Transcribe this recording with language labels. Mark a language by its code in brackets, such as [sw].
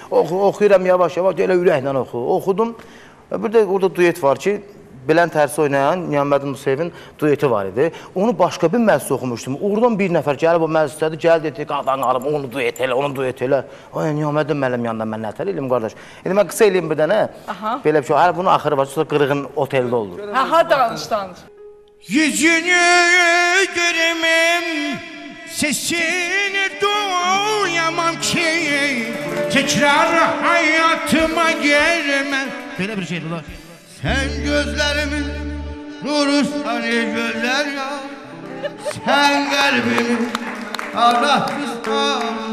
[az] Oxuyuram yavaş-yavaş, elə ürəklə oxu. Oxudum. Orada duet var ki, Bülənd Ərsoy ilə Niyamədin Musayevin dueti var idi. Onu başqa bir məclisə oxumuşdum. Oradan bir nəfər gəlib o məclisdədir, gəl dedi, qadan alım, onu duet elə, onu duet elə. Ay, Niyamədin müəllim yanında mən nətər eləyim, qardaş. İndi mən qısa eləyim bir dənə. Aha. Belə bir şey, hələ bunun axırı var, sonra qırığın oteldə olur. Hə, ha, danışdandır. [tr] Yüzünü görmem, sesini duyamam ki, tekrar hayatıma gelmem. [az] Belə bir şeydir, ulan. Sən gözlərimin nuru sarı gözlər ya, sən qəlbimin Allah qızlar.